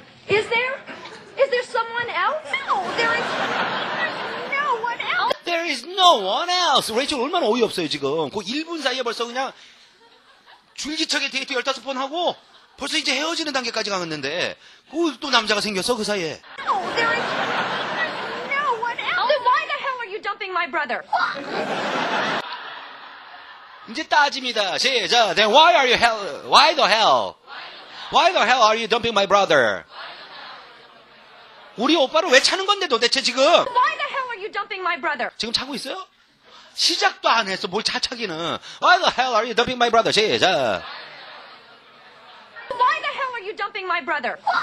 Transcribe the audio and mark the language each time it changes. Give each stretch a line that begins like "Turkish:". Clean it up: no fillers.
English: Is there? Is there someone else? No, there is. There is no one else.
Korean: 레이첼 얼마나 어이없어요 지금. 그 1분 사이에 벌써 그냥 줄지척에 데이트 15번 하고 벌써 이제 헤어지는 단계까지 갔는데 그 또 남자가 생겼어 그 사이에.
English: No, there is no one else. Then why the hell are you dumping my brother?
Korean: 이제 따집니다. 시작.
English: Then why are you hell? Why the hell? Why the hell are you dumping my brother?
Korean: 우리 오빠를 왜 차는 건데 도대체 지금?
English: Why the hell are you dumping my brother?
Korean: 지금 차고 있어요? 시작도 안 했어 뭘 차차기는.
English: Why the hell are you dumping my brother?
Korean: 시작.
English: Why the hell are you dumping my brother?